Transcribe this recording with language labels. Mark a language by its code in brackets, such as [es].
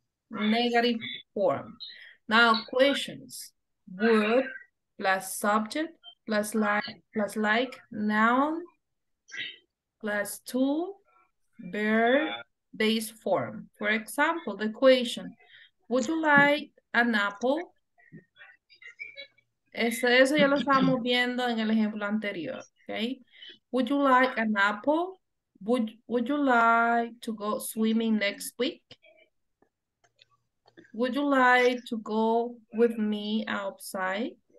[en] Negative form. Now questions. Would plus subject. Plus like noun plus two verb base form. For example, the question, would you like an apple? [es] Eso ya lo estábamos viendo en el ejemplo anterior, okay? [en] Would you like an apple? Would you like to go swimming next week? Would you like to go with me outside?